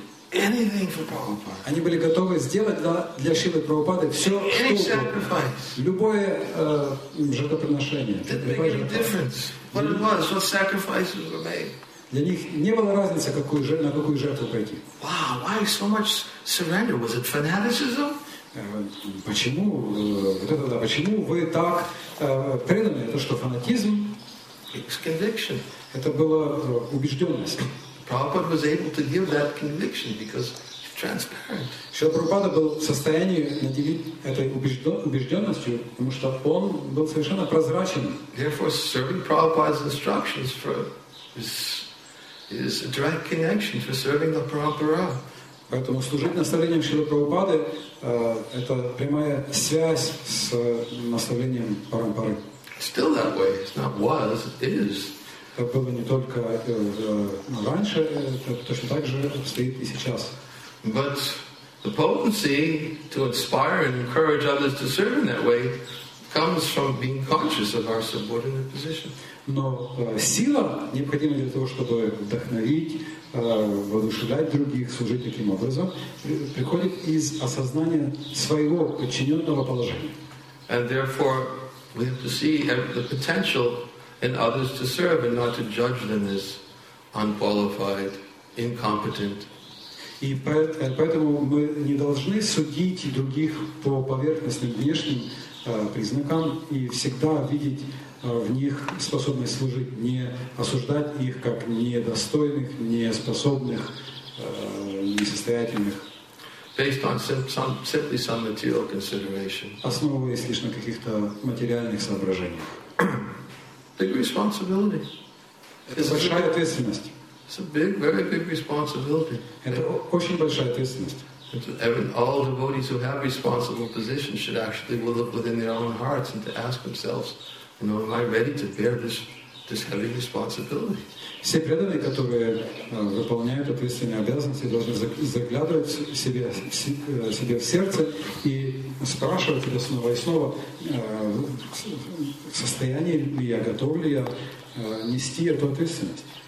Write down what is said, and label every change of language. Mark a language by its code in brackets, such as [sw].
[en] Anything for Prabhupada. [ru] Они были готовы сделать для Шилы Прабхупады все, [en] any [ru] что любое жертвоприношение. Для них не было разницы, на какую жертву пойти. [en] Wow, why so much surrender? Was it fanaticism? [ru] Почему? Почему вы так преданы? Это что, фанатизм? [en] It's conviction. [ru] Это была убежденность. [en] Prabhupada was able to give that conviction because he's transparent. [ru] Шрила Прабхупада был в состоянии наделить этой убежденностью, потому что он был совершенно прозрачен. [en] Therefore, serving Prabhupada's instructions for is a direct connection for serving the Parampara. [ru] Поэтому служить наставлением Шрилы Прабхупады это прямая связь с наставлением Парампары. [en] Still that way, it's not was, it is. [ru] Это было не только раньше, это точно так же обстоит и сейчас. [en] But the potency to inspire and encourage others to serve in that way comes from being conscious of our subordinate position. [ru] Но сила, необходимая для того, чтобы вдохновить, воодушевлять других, служить таким образом, приходит из осознания своего подчиненного положения. [en] And therefore, we have to see the potential and others to serve and not to judge them as unqualified, incompetent. [ru] И поэтому мы не должны судить других по поверхностным внешним признакам и всегда видеть в них способность служить, не осуждать их как недостойных, неспособных, несостоятельных. [en] Based on simply some material consideration. [ru] Основываясь лишь на каких-то материальных соображениях. [en] Big responsibility. [ru] Это большая ответственность. [en] It's a big, very big responsibility. [ru] Это очень большая ответственность. [en] All devotees who have responsible positions should actually look within their own hearts and to ask themselves, you know, am I ready to bear this heavy responsibility? [ru] Все преданные, которые выполняют ответственные обязанности, должны заглядывать себе в сердце и спрашивать себя снова и снова, в состоянии ли я, готов ли я нести эту ответственность.